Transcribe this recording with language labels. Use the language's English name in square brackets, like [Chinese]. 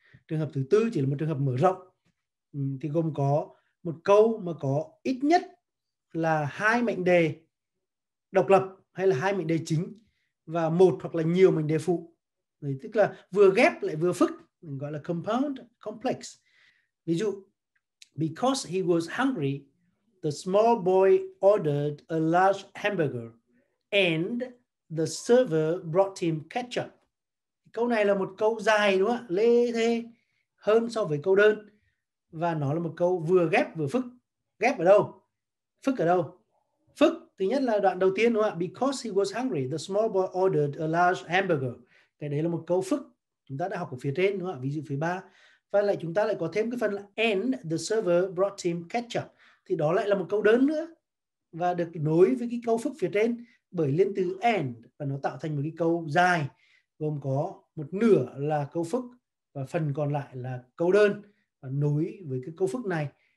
[Vietnamese] Trường hợp thứ tư chỉ là một trường hợp mở rộng, thì gồm có một câu mà có ít nhất là hai mệnh đề độc lập hay là hai mệnh đề chính và một hoặc là nhiều mệnh đề phụ. Đấy, tức là vừa ghép lại vừa phức, gọi là compound complex. Ví dụ, [English] because he was hungry, the small boy ordered a large hamburger and the server brought him ketchup. [Vietnamese] Câu này là một câu dài, đúng không ạ? Lê thê hơn so với câu đơn. Và nó là một câu vừa ghép vừa phức. Ghép ở đâu? Phức ở đâu? Phức, thứ nhất là đoạn đầu tiên, đúng không ạ? [English] Because he was hungry, the small boy ordered a large hamburger. [Vietnamese] Cái đấy là một câu phức. Chúng ta đã học ở phía trên, đúng không ạ? Ví dụ phía 3. Và lại chúng ta lại có thêm cái phần là [English] and the server brought him ketchup. [Vietnamese] Thì đó lại là một câu đơn nữa. Và được nối với cái câu phức phía trên bởi liên từ and. Và nó tạo thành một cái câu dài, gồm có một nửa là câu phức và phần còn lại là câu đơn. Và nối với cái câu phức này